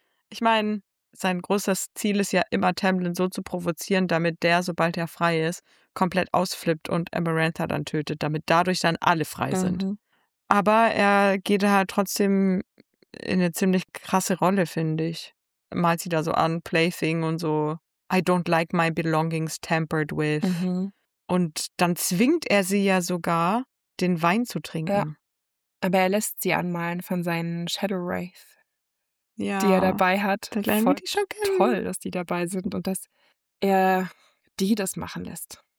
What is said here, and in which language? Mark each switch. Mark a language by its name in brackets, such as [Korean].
[German] Ich meine, sein großes Ziel ist ja immer, Tamlin so zu provozieren, damit der, sobald er frei ist, komplett ausflippt und Amarantha dann tötet, damit dadurch dann alle frei sind. Aber er geht halt trotzdem in eine ziemlich krasse Rolle, finde ich. Malt sie da so an, Plaything und so. [English] I don't like my belongings tampered with. Mhm. [German] Und dann zwingt er sie ja sogar, den Wein zu trinken. Ja. Aber er lässt sie anmalen von seinen Shadowwraith, ja, die er dabei hat. Voll toll, dass die dabei sind und dass er die das machen lässt.